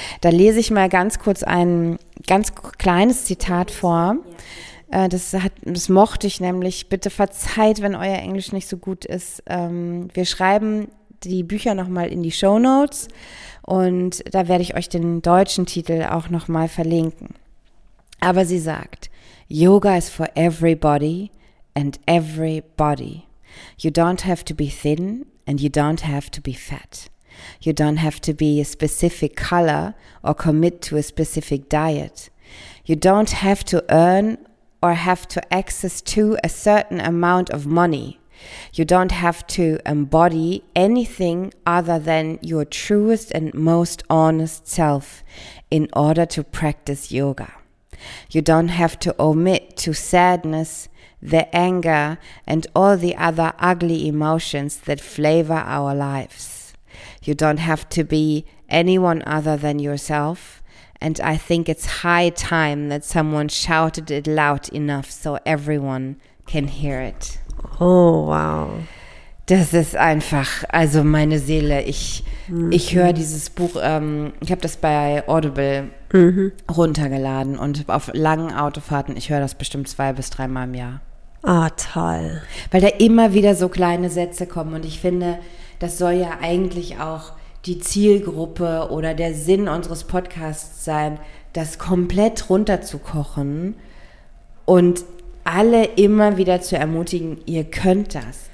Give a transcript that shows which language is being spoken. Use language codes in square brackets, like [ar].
[de] Da lese ich mal ganz kurz ein ganz kleines Zitat vor, das mochte ich nämlich, bitte verzeiht, wenn euer Englisch nicht so gut ist, wir schreiben die Bücher nochmal in die Shownotes und da werde ich euch den deutschen Titel auch nochmal verlinken. Aber sie sagt, [en] Yoga is for everybody and everybody. You don't have to be thin and you don't have to be fat. You don't have to be a specific color or commit to a specific diet. You don't have to earn or have to access to a certain amount of money. You don't have to embody anything other than your truest and most honest self in order to practice yoga. You don't have to omit to sadness, the anger, and all the other ugly emotions that flavor our lives. You don't have to be anyone other than yourself. And I think it's high time that someone shouted it loud enough so everyone can hear it. Oh, wow. [de] Das ist einfach, also meine Seele, ich höre dieses Buch, ich habe das bei Audible runtergeladen und auf langen Autofahrten, ich höre das bestimmt 2 bis 3 Mal im Jahr. Ah, toll. Weil da immer wieder so kleine Sätze kommen und ich finde, das soll ja eigentlich auch die Zielgruppe oder der Sinn unseres Podcasts sein, das komplett runterzukochen und alle immer wieder zu ermutigen, ihr könnt das.